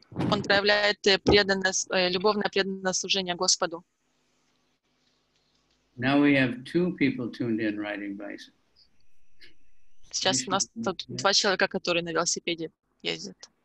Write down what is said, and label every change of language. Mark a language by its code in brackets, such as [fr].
[ru] Он проявляет любовное преданное служение Господу. [en] Now we have two people tuned in riding bikes. [ru] Сейчас у нас тут два человека, которые на велосипеде ездят.